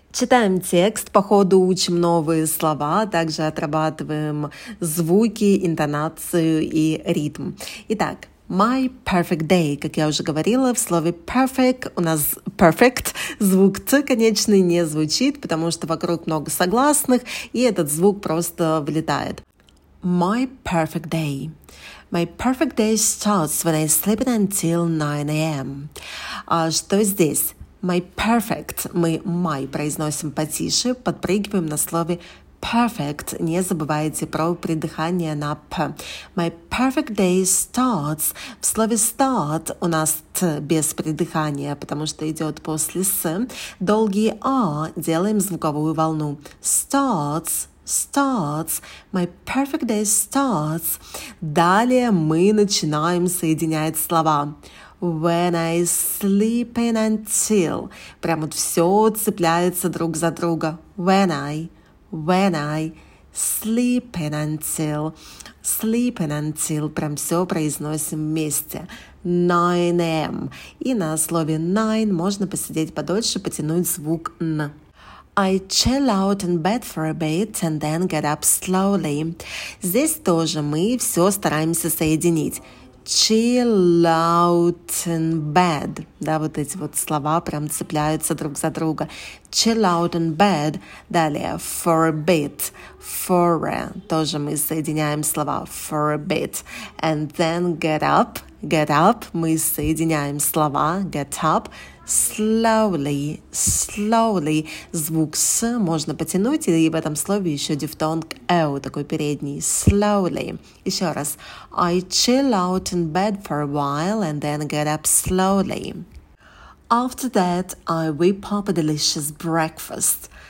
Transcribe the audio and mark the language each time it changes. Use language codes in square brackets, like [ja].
[ru] Читаем текст, по ходу учим новые слова, также отрабатываем звуки, интонацию и ритм. Итак, [en] my perfect day. [ru] Как я уже говорила, в слове perfect у нас perfect, звук «т» конечный не звучит, потому что вокруг много согласных, и этот звук просто вылетает. [en] My perfect day. My perfect day starts when I sleep until 9 a.m. [ru] Что здесь? [en] My perfect. [ru] Мы my произносим потише, подпрыгиваем на слове perfect. Не забывайте про придыхание на p. [en] My perfect day starts. [ru] В слове start у нас t без придыхания, потому что идет после s. Долгий a делаем звуковую волну. [en] Starts. Starts. My perfect day starts. [ru] Далее мы начинаем соединять слова. [en] When I sleep in until. [ru] Прям вот все цепляется друг за друга. [en] When I sleep in until. Sleep in until. [ru] Прям все произносим вместе. [en] 9 a.m. [ru] И на слове 9 можно посидеть подольше, потянуть звук «н». [en] I chill out in bed for a bit and then get up slowly. [ru] Здесь тоже мы все стараемся соединить. [en] Chill out in bed. [ru] Да, вот эти вот слова прям цепляются друг за друга. [en] Chill out in bed. [ru] Далее [en] for a bit. For a. [ru] Тоже мы соединяем слова [en] for a bit. And then get up. Get up. [ru] Мы соединяем слова [en] get up. Slowly, slowly. [ru] Звук «с» можно потянуть, и в этом слове еще дифтонг «эу», такой передний. Slowly. Еще раз. [en] I chill out in bed for a while and then get up slowly. After that, I whip up a delicious breakfast.